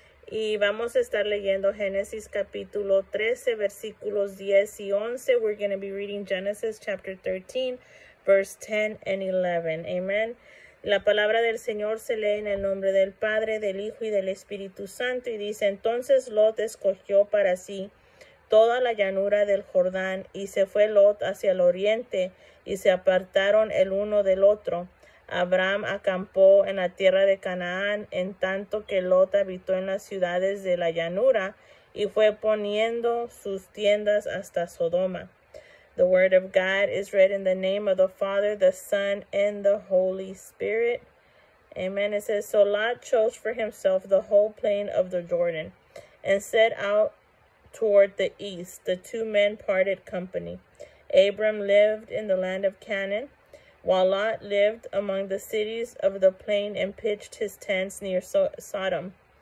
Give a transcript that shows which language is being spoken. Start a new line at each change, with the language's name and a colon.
Spanish: Y vamos a estar leyendo Génesis capítulo 13, versículos 10 y 11.
English: We're going to be reading Genesis chapter 13, verse 10 and 11. Amen.
Spanish: La palabra del Señor se lee en el nombre del Padre, del Hijo y del Espíritu Santo y dice, entonces Lot escogió para sí toda la llanura del Jordán y se fue Lot hacia el oriente y se apartaron el uno del otro. Abraham acampó en la tierra de Canaán en tanto que Lot habitó en las ciudades de la llanura y fue poniendo sus tiendas hasta Sodoma.
English: The word of God is read in the name of the Father, the Son, and the Holy Spirit. Amen. It says, so Lot chose for himself the whole plain of the Jordan and set out toward the east. The two men parted company. Abram lived in the land of Canaan, while Lot lived among the cities of the plain and pitched his tents near Sodom.